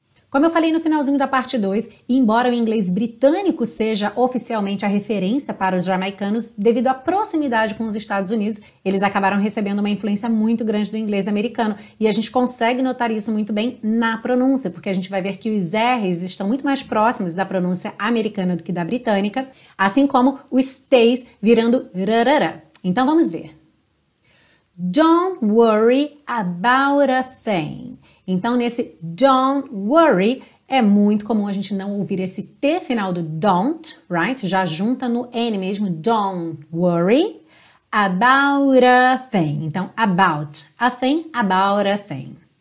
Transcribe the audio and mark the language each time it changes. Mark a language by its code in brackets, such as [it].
[pt] Como eu falei no finalzinho da parte 2, embora o inglês britânico seja oficialmente a referência para os jamaicanos, devido à proximidade com os Estados Unidos, eles acabaram recebendo uma influência muito grande do inglês americano. E a gente consegue notar isso muito bem na pronúncia, porque a gente vai ver que os R's estão muito mais próximos da pronúncia americana do que da britânica, assim como o stays virando rarara. Então vamos ver. [en] Don't worry about a thing. [pt] Então, nesse [en] don't worry, [pt] é muito comum a gente não ouvir esse T final do don't, [en] right? [pt] Já junta no N mesmo, [en] don't worry about a thing. [pt] Então, [en] about a thing, about a thing.